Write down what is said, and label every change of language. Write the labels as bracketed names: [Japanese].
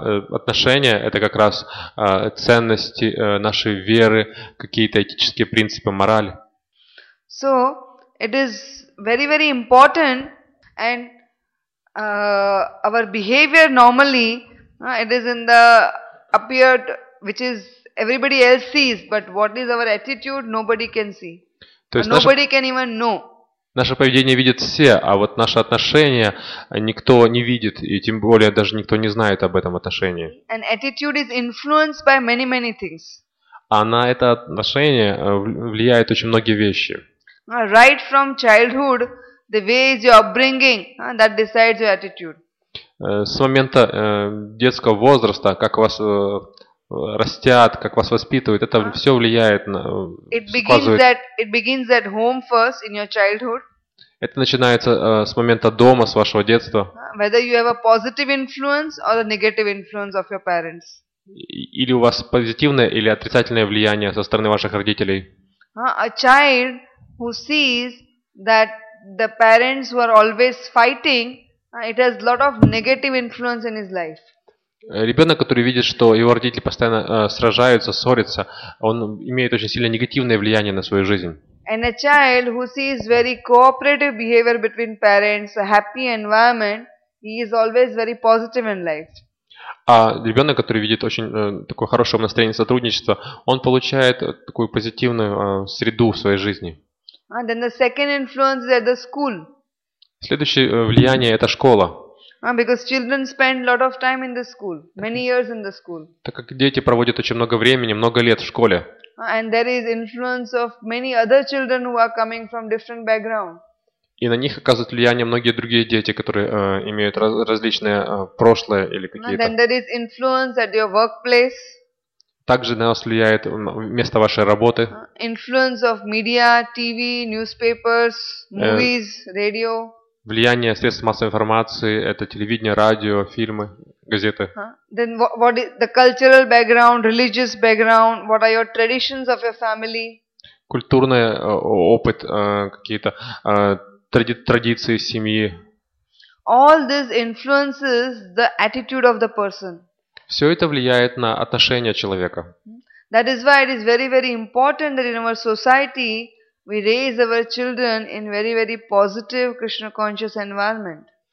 [Russian] Отношения — это как раз ценности нашей веры, какие-то этические принципы, морали. [English] So it is very, very important, and our behavior normally it is in the appeared which is everybody else sees, but what is our attitude nobody can see. Nobody can even know. [Russian] Наше поведение видят все, а вот наши отношения никто не видит, и тем более даже никто не знает об этом отношении. [English] And attitude is influenced by many, many things. [Russian] А на это отношение влияет очень многие вещи. [English] Right from childhood, the way is your upbringing, that decides your attitude. [Russian] С момента детского возраста, как вас растят, как вас воспитывают, это все влияет на... [English] It begins at home first, in your childhood. [Russian] Это начинается с момента дома, с вашего детства. [English] Whether you have a positive influence or a negative influence of your parents. [Russian] Или у вас позитивное или отрицательное влияние со стороны ваших родителей. [English] A child who sees that the parents who are always fighting, it has a lot of negative influence in his life. [Russian] Ребенок, который видит, что его родители постоянно сражаются, ссорятся, он имеет очень сильно негативное влияние на свою жизнь. [English] And a child who sees very cooperative behavior between parents, a happy environment, he is always very positive in life. [Russian] А ребенок, который видит очень такое хорошее настроение сотрудничества, он получает такую позитивную среду в своей жизни. [English] And then the second influence is at the school. [Russian] Следующее влияние – это школа. [English] Because children spend a lot of time in the school, many years in the school. [Russian] Так как дети проводят очень много времени, много лет в школе. [English] And there is influence of many other children who are coming from different backgrounds. [Russian] И на них оказывают влияние многие другие дети, которые имеют различные прошлое или какие-то. [English] And then there is influence at your workplace. [Russian] Также на вас влияет место вашей работы. [English] Influence of media, TV, newspapers, movies, radio. [Russian] Влияние средств массовой информации – это телевидение, радио, фильмы, газеты. [English] Then what is the cultural background, religious background? What are your traditions of your family? [Russian] Культурный опыт, какие-то традиции семьи. [English] All this influences the attitude of the person. [Russian] Все это влияет на отношения человека. [English] That is why it is very, very important that in our society we raise our children in very, very positive Krishna conscious environment.